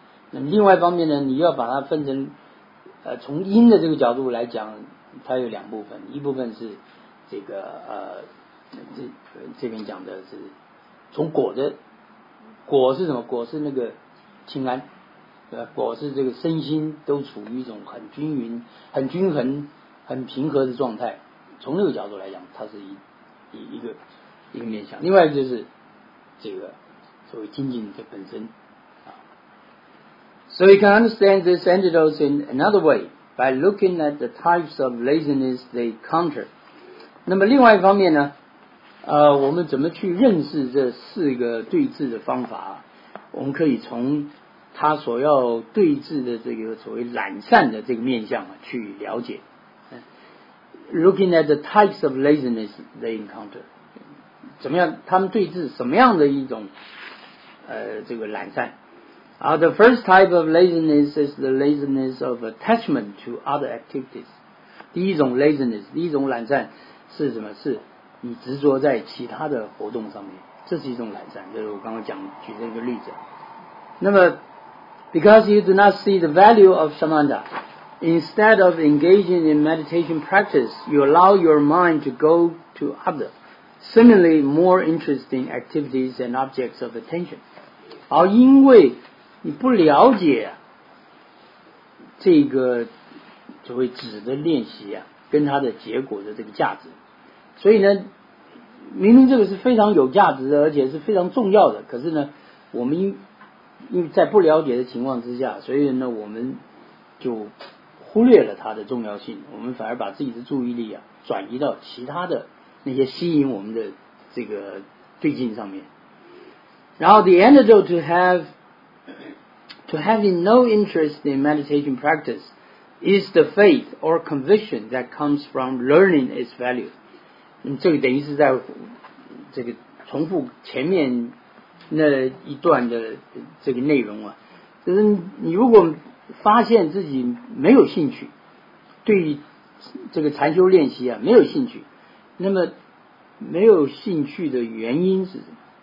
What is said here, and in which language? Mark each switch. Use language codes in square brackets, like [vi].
[zh] 那么另外一方面呢，你要把它分成从因的这个角度来讲，它有两部分。一部分是这个这边讲的是从果的，果是什么？果是那个清安，果是这个身心都处于一种很均匀、很均衡、很平和的状态。从这个角度来讲，它是一个面向。另外就是这个所谓精进的本身啊。 [en] So you can understand this antidote in another way by looking at the types of laziness they counter. [zh] 那么另外一方面呢，我们怎么去认识这四个对治的方法？我们可以从它所要对治的这个所谓懒散的这个面向啊去了解。 [en] Looking at the types of laziness they encounter， [zh] 怎么样？他们对峙什么样的一种这个懒散？ [en] The first type of laziness is the laziness of attachment to other activities。 [zh] 第一种 laziness， 第一种懒散是什么？是你执着在其他的活动上面，这是一种懒散。就是我刚刚讲举这个例子。那么 [en] ，because you do not see the value of samatha。 Instead of engaging in meditation practice, you allow your mind to go to other, seemingly more interesting activities and objects of attention. [zh] 而因为你不了解这个所谓止的练习啊，跟它的结果的这个价值，所以呢，明明这个是非常有价值的，而且是非常重要的，可是呢，我们因为在不了解的情况之下，所以呢，我们就忽略了它的重要性，我们反而把自己的注意力啊转移到其他的那些吸引我们的这个对境上面。然后 [en] the antidote to having no interest in meditation practice is the faith or conviction that comes from learning its value。 [zh] 这个等于是在这个重复前面那一段的这个内容啊，就是你如果发现自己没有兴趣，对于这个禅修练习啊没有兴趣，那么没有兴趣的原因是什么？